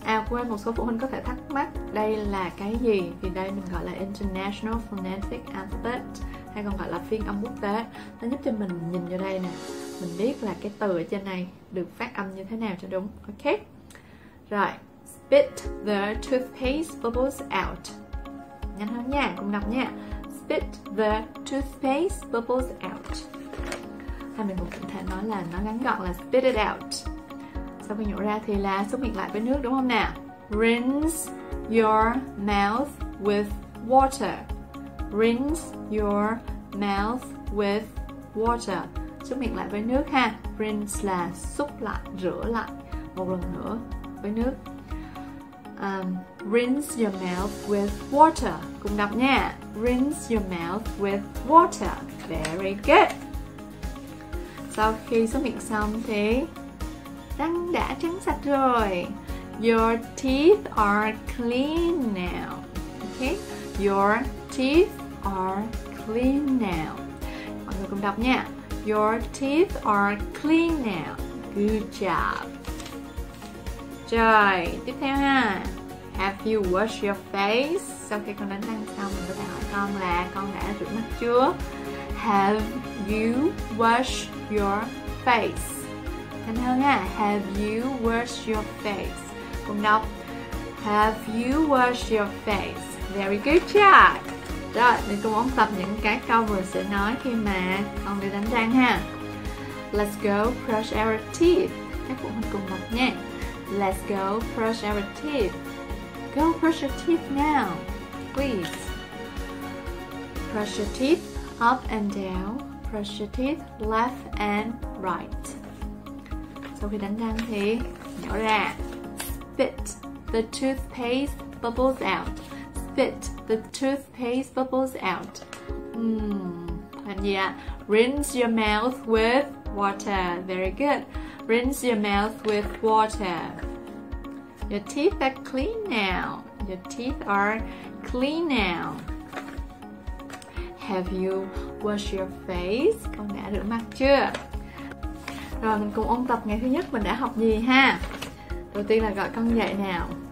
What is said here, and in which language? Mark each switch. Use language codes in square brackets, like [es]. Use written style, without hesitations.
[vi] Quên, một số phụ huynh có thể thắc mắc đây là cái gì, thì đây mình gọi là International Phonetic Alphabet, hay còn gọi là phiên âm quốc tế. Nó giúp cho mình nhìn vô đây nè, mình biết là cái từ ở trên này được phát âm như thế nào cho đúng. [en] Ok. Rồi, spit the toothpaste bubbles out. [vi] Nhanh hơn nha, cùng đọc nha. [en] Spit the toothpaste bubbles out. [vi] Hay mình cũng có thể nói là nó ngắn gọn là [en] spit it out. [vi] Sau khi nhổ ra thì là xúc miệng lại với nước đúng không nào? [en] Rinse your mouth with water. rinse your mouth with water. [vi] Súc miệng lại với nước ha. Rinse là súc lại, rửa lại. Một lần nữa với nước. [en] Rinse your mouth with water. [vi] Cùng đọc nha. [en] Rinse your mouth with water. Very good. [vi] Sau khi súc miệng xong thì răng đã trắng sạch rồi. [en] Your teeth are clean now. Okay. Your teeth are clean now. [vi] Mọi người cùng đọc nha. [en] Your teeth are clean now. Good job. [vi] Rồi, tiếp theo ha. [en] Have you washed your face? [vi] Sau khi con đánh răng xong, mình có thể hỏi con là con đã rửa mặt chưa? [en] Have you washed your face? [vi] Thành hơn ha. [en] Have you washed your face? [vi] Cùng đọc. [en] Have you washed your face? Very good job. [vi] Rồi, mình cùng ôn tập những cái câu vừa sẽ nói khi mà con đi đánh răng ha. [en] Let's go brush our teeth. [vi] Các phụ huynh cùng đọc nha. [en] Let's go brush our teeth. Go brush your teeth now, please. Brush your teeth up and down. Brush your teeth left and right. [vi] Sau khi đánh răng thì nhổ ra. [en] Spit the toothpaste bubbles out. Spit the toothpaste bubbles out. [vi] Làm gì ạ? [en] Rinse your mouth with water. Very good. Rinse your mouth with water. Your teeth are clean now. Your teeth are clean now. Have you washed your face? [vi] Con đã rửa mặt chưa? Rồi mình cùng ôn tập ngày thứ nhất mình đã học gì ha? Đầu tiên là gọi con dậy nào.